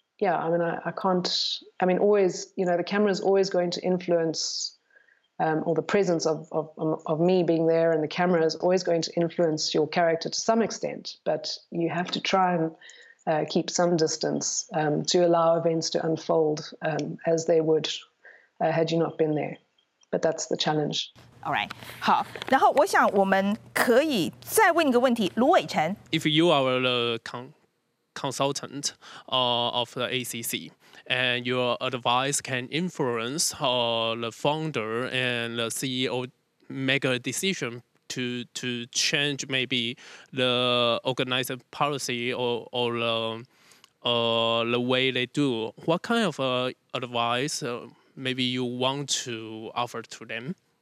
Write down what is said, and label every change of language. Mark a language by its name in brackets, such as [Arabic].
[English] Yeah, I mean, I can't, I mean, always, you know, the camera's always going to influence, or the presence of me being there and the camera is always going to influence your character to some extent, but you have to try and keep some distance to allow events to unfold as they would had you not been there. But that's the challenge. All right. [Chinese] 好，然后我想我们可以再问一个问题，卢伟成。 [English] If you are the consultant of the ACC, and your advice can influence the founder and the CEO make a decision to change maybe the organizing policy or the way they do, what kind of advice maybe you want to offer to them?